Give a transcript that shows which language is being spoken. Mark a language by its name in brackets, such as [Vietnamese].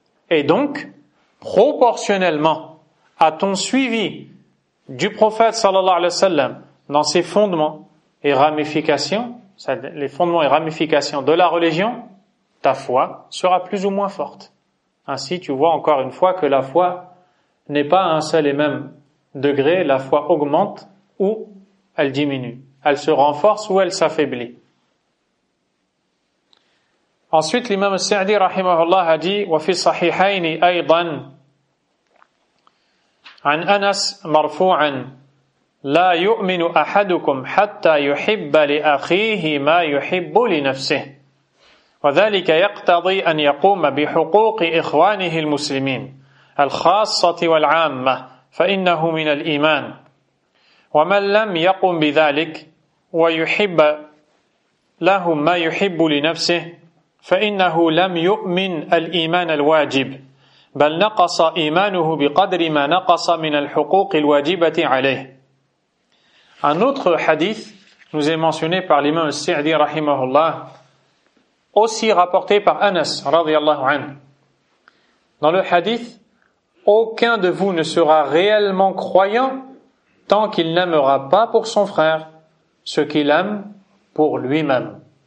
[French] Et donc, proportionnellement à ton suivi du prophète sallallahu alayhi wa sallam dans ses fondements et ramifications, les fondements et ramifications de la religion, ta foi sera plus ou moins forte. Ainsi, tu vois encore une fois que la foi n'est pas à un seul et même degré, la foi augmente ou elle diminue. Elle se renforce ou elle s'affaiblit. Ensuite, l'imam al-Sa'di rahimahullah a dit [Arabic] « وَفِي الصَّحِيحَيْنِ أَيْضًا عن أنس مرفوعا لا يؤمن أحدكم حتى يحب لأخيه ما يحب لنفسه وذلك يقتضي أن يقوم بحقوق إخوانه المسلمين الخاصة والعامة فإنه من الإيمان ومن لم يقم بذلك ويحب لهم ما يحب لنفسه فإنه لم يؤمن الإيمان الواجب بل نقص إيمانه بقدر ما نقص من الحقوق الواجبة عليه. [French] Un autre hadith nous est mentionné par l'imam al-Sa'di rahimahullah, aussi rapporté par Anas radiyallahu anhu. Dans le hadith, aucun de vous ne sera réellement croyant tant qu'il n'aimera pas pour son frère ce qu'il aime pour lui-même.